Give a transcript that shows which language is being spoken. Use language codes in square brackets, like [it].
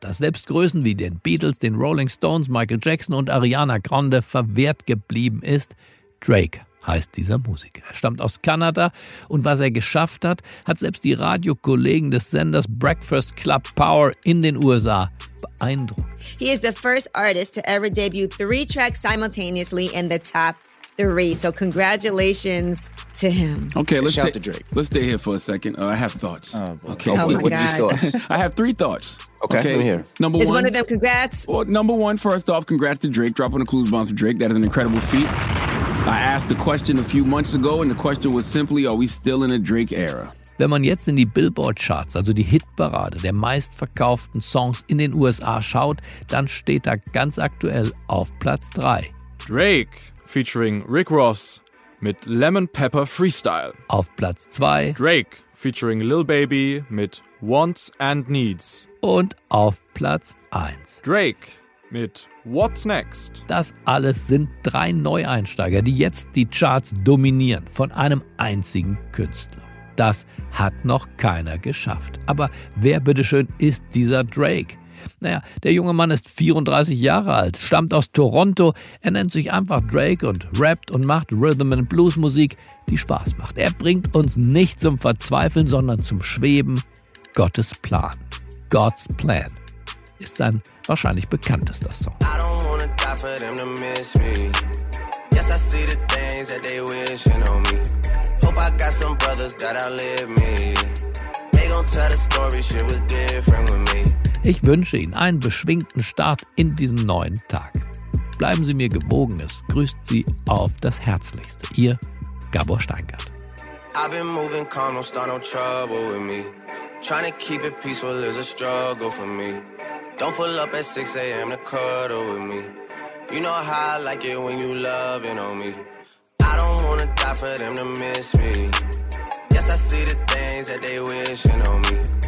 [de] Dass selbst Größen wie den Beatles, den Rolling Stones, Michael Jackson und Ariana Grande verwehrt geblieben ist. Drake heißt dieser Musiker. Er stammt aus Kanada und was er geschafft hat, hat selbst die Radiokollegen des Senders Breakfast Club Power in den USA beeindruckt. [en] He is the first artist to ever debut 3 tracks simultaneously in the top 3. So congratulations to him. Okay, let's shout to Drake. Let's stay here for a second. I have thoughts. Oh, boy. Okay. Oh, my God. What are these thoughts? I have 3 thoughts. Okay, I'm here. Number is one of them, congrats. Well, number one, first off, congrats to Drake. Drop on the clues bombs for Drake. That is an incredible feat. I asked a question a few months ago and the question was simply, are we still in a Drake era? [de] Wenn man jetzt in die Billboard-Charts, also die Hitparade der meistverkauften Songs in den USA schaut, dann steht da ganz aktuell auf Platz 3. Drake featuring Rick Ross mit Lemon Pepper Freestyle. Auf Platz 2. Drake featuring Lil Baby mit Wants and Needs. Und auf Platz 1. Drake mit What's Next? Das alles sind 3 Neueinsteiger, die jetzt die Charts dominieren von einem einzigen Künstler. Das hat noch keiner geschafft. Aber wer bitteschön ist dieser Drake? Naja, der junge Mann ist 34 Jahre alt, stammt aus Toronto, er nennt sich einfach Drake und rappt und macht Rhythm and Blues Musik, die Spaß macht. Er bringt uns nicht zum Verzweifeln, sondern zum Schweben. Gottes Plan. God's Plan ist sein wahrscheinlich bekanntester Song. [en] I don't wanna die for them to miss me. Yes, I see the things that they wishing on me. Hope I got some brothers that outlive me. They gon' tell the story, shit was different with me. [de] Ich wünsche Ihnen einen beschwingten Start in diesen neuen Tag. Bleiben Sie mir gewogen, es grüßt Sie auf das Herzlichste. Ihr Gabor Steingart. [en] I've been moving calm, don't start no trouble with me. Trying to keep it peaceful is a struggle for me. Don't pull up at 6 a.m. to cuddle with me. You know how I like it when you loving on me. I don't wanna die for them to miss me. Yes, I see the things that they wishing on me.